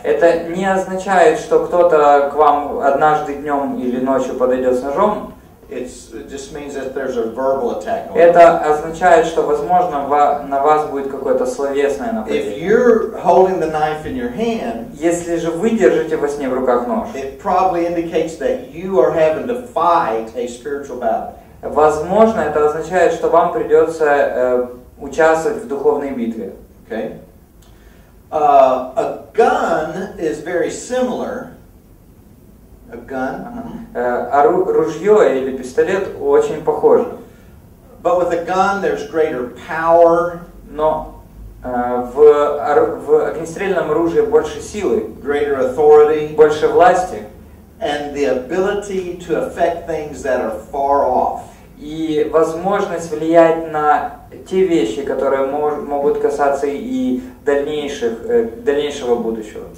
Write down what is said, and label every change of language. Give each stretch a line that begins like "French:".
Russian: Это не означает, что кто-то к вам однажды днем или ночью подойдет с ножом.
English: It just means that there's a verbal attack.
Russian: Это означает, что, возможно, на вас будет какое-то словесное нападение.
English: If you're holding the knife in your hand,
Russian: если же вы держите во сне в руках нож,
English: it probably indicates that you are having to fight a spiritual battle.
Russian: Возможно, это означает, что вам придется участвовать в духовной битве.
English: Okay. A gun is very similar. A gun.
Russian: Ружье или пистолет очень похоже.
English: But with a gun, there's greater power.
Russian: Но в огнестрельном оружии больше силы.
English: Greater authority.
Russian: Больше власти.
English: And the ability to affect things that are far off.
Russian: И возможность влиять на те вещи, которые могут касаться и дальнейшего будущего.